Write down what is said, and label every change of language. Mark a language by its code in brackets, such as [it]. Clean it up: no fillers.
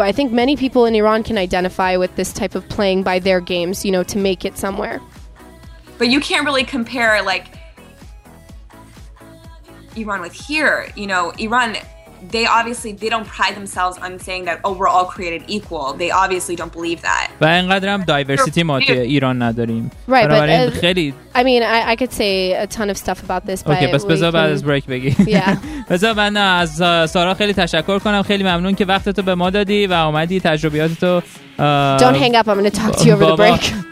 [en] I think many people in Iran can identify with this type of playing by their games, you know, to make it somewhere. But you can't really compare, like, Iran with here. You know, Iran, they don't pride themselves on saying that, oh, we're all created equal. They obviously don't believe that. [fa] و اینقدر هم دایورسیتی ما توی ایران نداریم. [en] Right, but [fa] خیلی. [en] I mean, I could say a ton of stuff about this, okay, but [fa] بس بذار بعد از بریک بگی. [en] Yeah. [fa] بذار من از سارا خیلی تشکر کنم. خیلی ممنون که وقت تو به ما دادی و اومدی تجربیات تو. [en] Don't hang up. I'm going to talk to you over the break.